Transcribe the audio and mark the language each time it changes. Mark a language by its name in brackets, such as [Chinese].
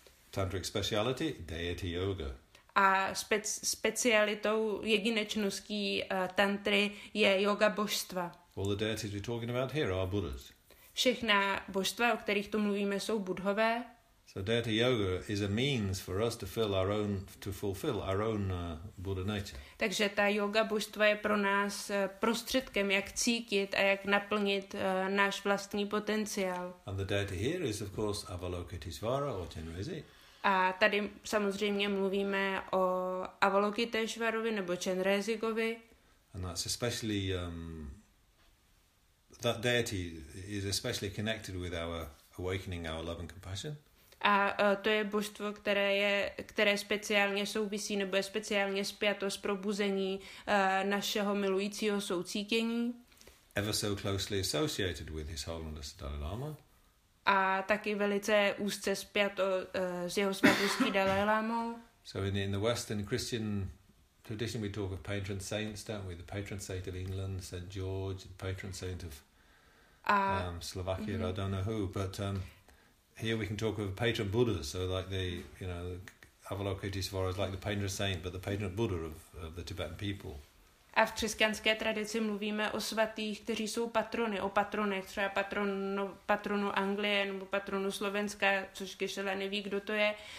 [English] Tantric speciality, deity yoga. [Czech] A specialitou jedinečností tantry je yoga božstva. [English] All the deities we're talking about here are Buddhas. [Czech] Všechna božstva, o kterých tu mluvíme, jsou budhové. [English] So deity yoga is a means for us to fulfill our own Buddha nature. [Czech] Takže ta yoga božstva je pro nás prostředkem, jak cítit a jak naplnit náš vlastní potenciál. [English] And the deity here is of course Avalokiteshvara or Chenrezig. [Czech] A tady samozřejmě mluvíme o Avalokiteshvarovi nebo Chenrezigovi. [English] And that's especially that deity is especially connected with our awakening, our love and compassion. [Czech] A to je božstvo, které speciálně souvisí nebo je speciálně spjato s probuzení našeho milujícího soucítění. [English] Ever so closely associated with His Holiness Dalai Lama. [Czech] A taky velice úzce spjato s Jeho Svatostí Dalai Lamou. [English] So in the Western Christian tradition, we talk of patron saints, don't we? The patron saint of England, Saint George, the patron saint of Slovakia. Mm-hmm. I don't know who, but here we can talk of patron Buddhas. So, like the, you know, Avalokiteshvara is like the patron saint, but the patron Buddha of the Tibetan people. [Czech] A v křesťanské tradici mluvíme o svatých, kteří jsou patrony, o patronech, třeba patronu Anglie nebo patronu Slovenska, což Gešela neví, kdo to je.